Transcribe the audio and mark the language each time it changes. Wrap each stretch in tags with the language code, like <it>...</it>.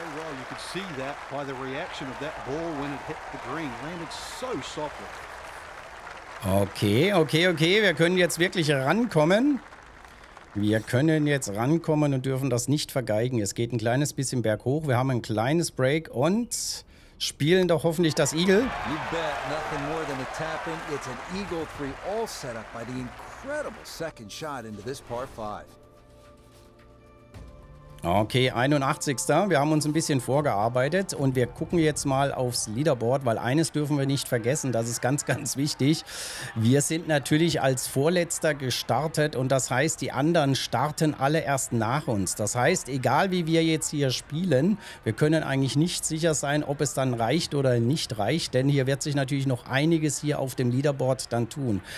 <en>You could see that by the reaction of that ball when it hit the green. Landed so softly.</en> <de>Okay, okay, okay, wir können jetzt wirklich rankommen. Wir können jetzt rankommen und dürfen das nicht vergeigen. Es geht ein kleines bisschen berghoch. Wir haben ein kleines Break und spielen doch hoffentlich das Eagle.</de> <en>You bet, nothing more than a tap-in. It's an Eagle 3 all set up by the incredible second shot into this par 5.</en> <de>Okay, 81. Wir haben uns ein bisschen vorgearbeitet und wir gucken jetzt mal aufs Leaderboard, weil eines dürfen wir nicht vergessen, das ist ganz, ganz wichtig. Wir sind natürlich als Vorletzter gestartet und das heißt, die anderen starten alle erst nach uns. Das heißt, egal wie wir jetzt hier spielen, wir können eigentlich nicht sicher sein, ob es dann reicht oder nicht reicht, denn hier wird sich natürlich noch einiges hier auf dem Leaderboard dann tun.</de>